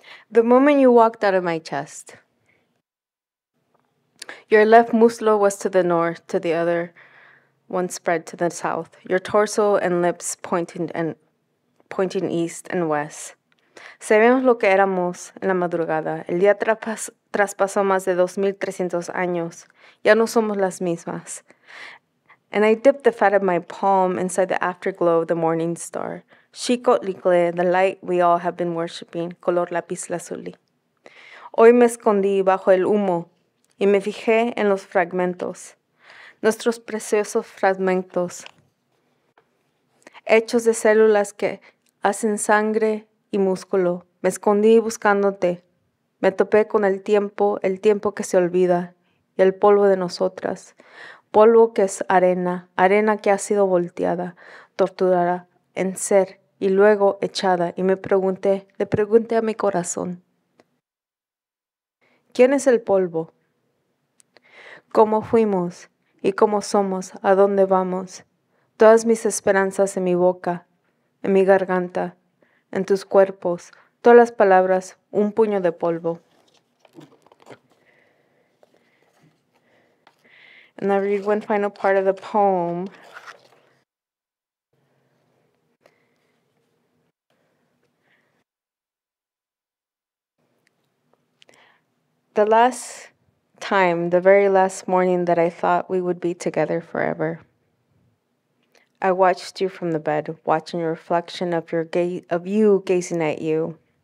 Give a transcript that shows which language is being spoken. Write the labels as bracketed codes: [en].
[en] The moment you walked out of my chest, your left muslo was to the north, to the other one spread to the south, your torso and lips pointing east and west. [es] Sabemos lo que éramos en la madrugada. El día traspasó más de 2,300 años. Ya no somos las mismas. [en] and I dipped the fat of my palm inside the afterglow of the morning star. Xicotlicle, the light we all have been worshipping, color lapis lazuli. [es] Hoy me escondí bajo el humo y me fijé en los fragmentos, nuestros preciosos fragmentos, hechos de células que hacen sangre y músculo. Me escondí buscándote. Me topé con el tiempo que se olvida, y el polvo de nosotras. Polvo que es arena, arena que ha sido volteada, torturada en ser y luego echada. Y me pregunté, le pregunté a mi corazón, ¿quién es el polvo? ¿Cómo fuimos? ¿Y cómo somos? ¿A dónde vamos? Todas mis esperanzas en mi boca, en mi garganta, en tus cuerpos, todas las palabras, un puño de polvo. [en] And I'll read one final part of the poem. The last time, the very last morning that I thought we would be together forever, I watched you from the bed, watching a reflection of your you gazing at you.